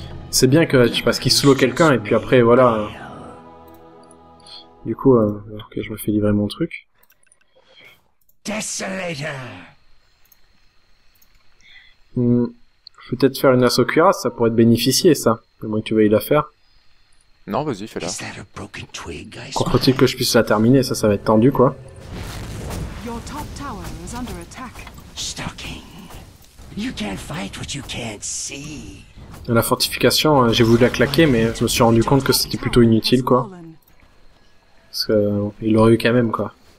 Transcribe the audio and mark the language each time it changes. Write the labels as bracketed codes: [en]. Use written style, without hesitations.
[fr] C'est bien que tu passes qu'il slow quelqu'un et puis après voilà. Du coup, alors que je me fais livrer mon truc. Desolator. Je vais peut-être faire une assaut cuirasse, ça pourrait être bénéficié ça. Au moins que tu veuilles la faire. Non, vas-y, fais-la. Encore faut-il que je puisse la terminer, ça va être tendu quoi. [en] Your top tower is under attack. Stalking. You can't fight what you can't see. [fr] La fortification, j'ai voulu la claquer, mais je me suis rendu compte que c'était plutôt inutile, quoi. Parce que, il l'aurait eu quand même, quoi.